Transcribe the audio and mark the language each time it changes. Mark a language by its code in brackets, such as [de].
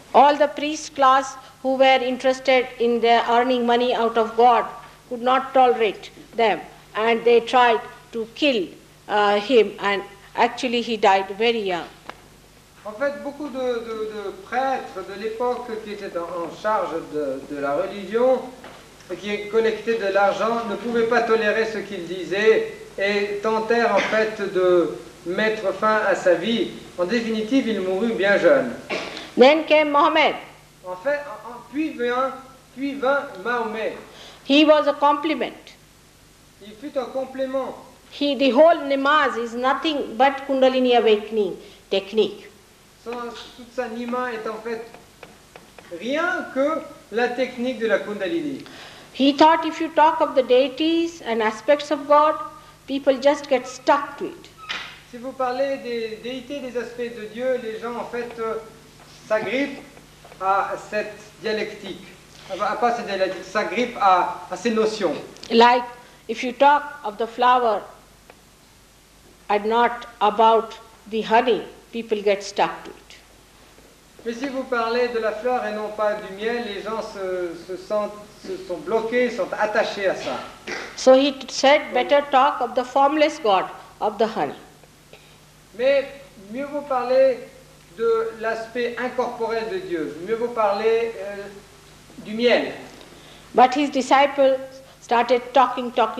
[en] All the priest class who were interested in their earning money out of God could not tolerate them, and they tried to kill him, and actually he died very young. [fr] En fait, beaucoup de prêtres de l'époque qui étaient en charge de la religion qui collectaient de l'argent ne pouvaient pas tolérer ce qu'il disait et tentèrent en fait de mettre fin à sa vie. En définitive, il mourut bien jeune. [en] Then came Mohammed. [fr] En fait, puis vint Mohammed. [en] He was a complement. [fr] Il fut un complément. [en] The whole namaz is nothing but Kundalini awakening technique. [fr] Toute sa nima est en fait rien que la technique de la Kundalini. [en] He thought if you talk of the deities and aspects of God, people just get stuck to it. [fr] Si vous parlez des déités, des aspects de Dieu, les gens en fait s'agrippent à cette dialectique. S'agrippent à ces notions. [en] Like if you talk of the flower and not about the honey, people get stuck to it. [fr] Mais si vous parlez de la fleur et non pas du miel, les gens se sont bloqués, sont attachés à ça. [en] So he said, better talk of the formless God, of the honey. [fr] Mais mieux vaut parler de l'aspect incorporel de Dieu. Mieux vaut parler du miel. [en] But his disciples started talking.